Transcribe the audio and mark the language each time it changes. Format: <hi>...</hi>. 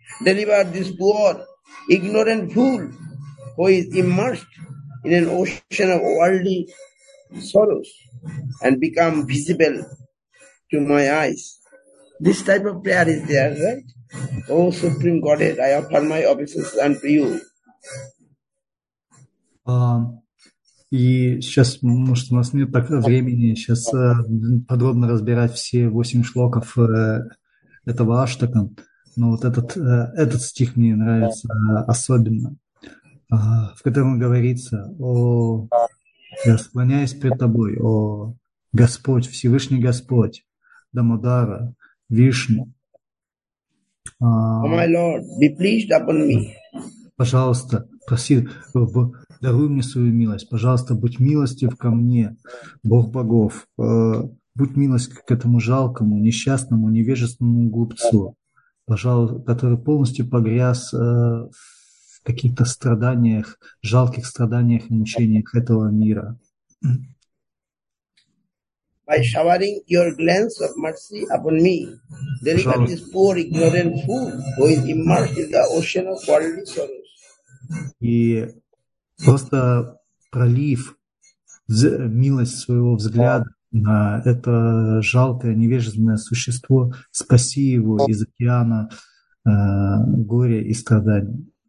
<en>Deliver this poor, ignorant fool who is immersed in an ocean of worldly sorrows and become visible to my eyes. This type of prayer is there, right? O Supreme Godhead, I offer my obeisances unto you.</en> <ru>И сейчас, может, у нас нет так времени сейчас подробно разбирать все 8 шлоков этого аштака, но вот этот стих мне нравится особенно, в котором говорится: «О, я склоняюсь пред тобой, о Господь, Всевышний Господь, Дамодара, Вишну».</ru> <en>My Lord, be pleased upon me.</en> <ru>Пожалуйста, проси, даруй мне свою милость. Пожалуйста, будь милостив ко мне, Бог богов. Будь милость к этому жалкому, несчастному, невежественному глупцу, пожалуй, который полностью погряз в каких-то страданиях, жалких страданиях и мучениях этого мира.</ru> <en>By showering your glance of mercy upon me, deliver this poor ignorant fool who is immersed in the ocean of worldly sorrows.</en> <ru>И просто пролив милость своего взгляда на это жалкое, невежественное существо, спаси его из океана горя и страданий.</ru>